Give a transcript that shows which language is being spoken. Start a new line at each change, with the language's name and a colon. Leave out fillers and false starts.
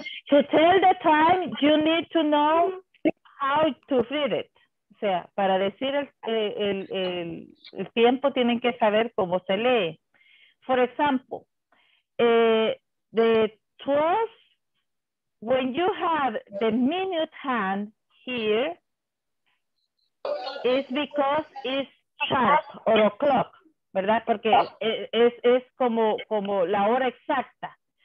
English: To tell the time, you need to know how to read it.
Spanish: O sea, para decir el tiempo, tienen que saber cómo se lee.
English: For example, the 12, when you have the minute hand here, it's because it's sharp or o'clock.
Spanish: ¿Verdad? Porque es como la hora exacta.